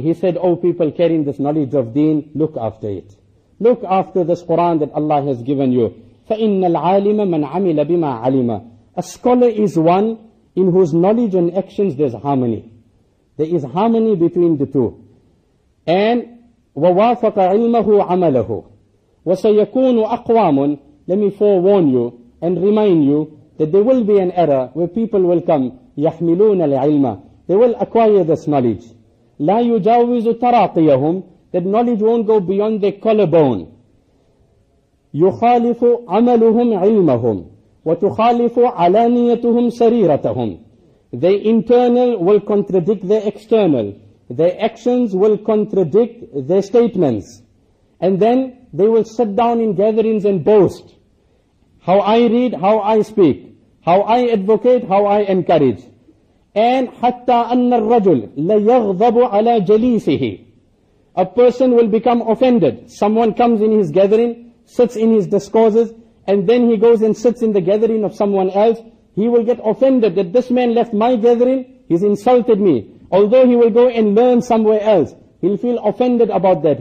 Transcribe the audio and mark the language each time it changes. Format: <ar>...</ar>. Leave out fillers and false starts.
<en>He said, O people carrying this knowledge of deen, look after it. Look after this Quran that Allah has given you.</en> <ar>فَإِنَّ الْعَالِمَ مَنْ عَمِلَ بِمَا عَلِمَ.</ar> <en>A scholar is one in whose knowledge and actions there's harmony. There is harmony between the two.</en> <ar>And وَوَافَقَ عِلْمَهُ عَمَلَهُ وَسَيَكُونُ أَقْوَامٌ.</ar> <en>Let me forewarn you and remind you that there will be an era where people will come</en> <ar>يَحْمِلُونَ الْعِلْمَ.</ar> <en>They will acquire this knowledge.</en> <ar>لَا يُجَاوِزُ تَرَاقِيَهُمْ.</ar> <en>That knowledge won't go beyond their collarbone.</en> <ar>يُخَالِفُ عَمَلُهُمْ عِلْمَهُمْ وَتُخَالِفُ عَلَانِيَتُهُمْ سَرِيرَتَهُمْ.</ar> <en>Their internal will contradict their external. Their actions will contradict their statements. And then they will sit down in gatherings and boast. How I read, how I speak. How I advocate, how I encourage.</en> <ar>And حَتَّى أَنَّ الرَّجُلْ لَيَغْضَبُ عَلَى جَلِيسِهِ.</ar> <en>A person will become offended. Someone comes in his gathering, sits in his discourses, and then he goes and sits in the gathering of someone else. He will get offended that this man left my gathering, he's insulted me. Although he will go and learn somewhere else, he'll feel offended about that.</en>